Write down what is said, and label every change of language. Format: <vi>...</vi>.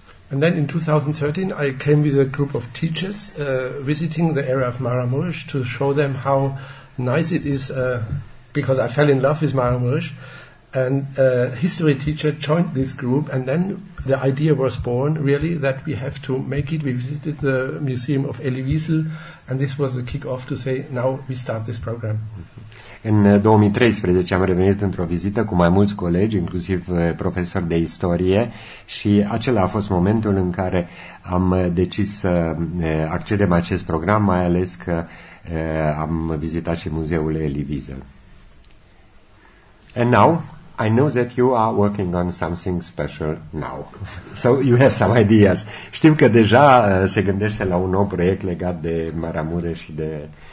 <en>And then in 2013, I came with a group of teachers visiting the area of Maramureș to show them how nice it is, because I fell in love with Maramureș. And a history teacher joined this group, and then the idea was born, really, that we have to make it. We visited the Museum of Elie Wiesel, and this was the kick-off to say, now we start this program.</en> <ro>În 2013 am revenit într-o vizită cu mai mulți colegi, inclusiv profesori de istorie, și acela a fost momentul în care am decis să accedem acest program, mai ales că am vizitat și muzeul Elie Wiesel.</ro> <en>And now, I know that you are working on something special now. So you have some ideas.</en> <ro>Știm că deja se gândește la un nou proiect legat de Maramureș și de...</ro>